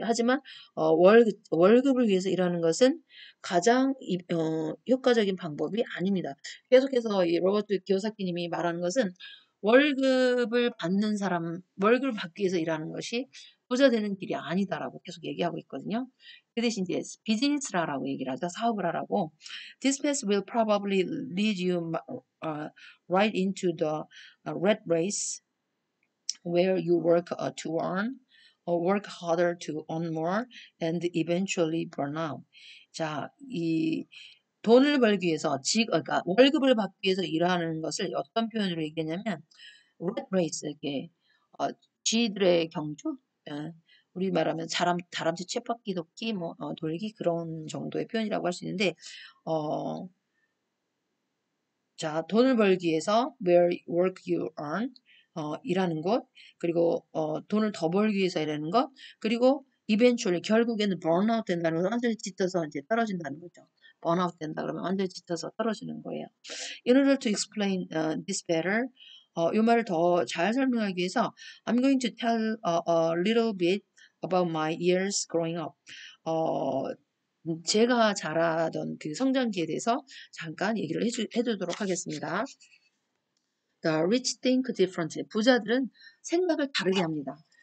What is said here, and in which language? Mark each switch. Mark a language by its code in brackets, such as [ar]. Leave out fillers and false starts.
[ko] 하지만 월급을 위해서 일하는 것은 가장 효과적인 방법이 아닙니다. 계속해서 이 로버트 기요사키님이 말하는 것은 월급을 받는 사람, 월급을 받기 위해서 일하는 것이 부자 되는 길이 아니다라고 계속 얘기하고 있거든요. 그 대신 이제 비즈니스를 하라고 얘기를 하죠. 사업을 하라고. [en] This path will probably lead you right into the red race where you work to earn, or work harder to earn more, and eventually burn out. [ko] 자, 이 돈을 벌기 위해서, 그러니까 월급을 받기 위해서 일하는 것을 어떤 표현으로 얘기했냐면 [en] red race, [ko] 이렇게 쥐들의 경주? 우리 말하면 다람쥐 쳇바퀴 돕기 뭐 돌기 그런 정도의 표현이라고 할 수 있는데 자 돈을 벌기 위해서 [en] where work you earn [ko] 일하는 곳 그리고 돈을 더 벌기 위해서 일하는 것 그리고 이벤츄얼리 결국에는 번아웃 된다는 건 완전히 짙어서 이제 떨어진다는 거죠. 번아웃 된다 그러면 완전히 짙어서 떨어지는 거예요. [en] In order to explain this better, [ko] 이 말을 더잘 설명하기 위해서 [en] I'm going to tell a little bit about my years growing up. [ko] 제가 자라던 그 성장기에 대해서 잠깐 얘기를 해두도록 하겠습니다. [en] The rich think differently. [ko] 부자들은 생각을 다르게 합니다.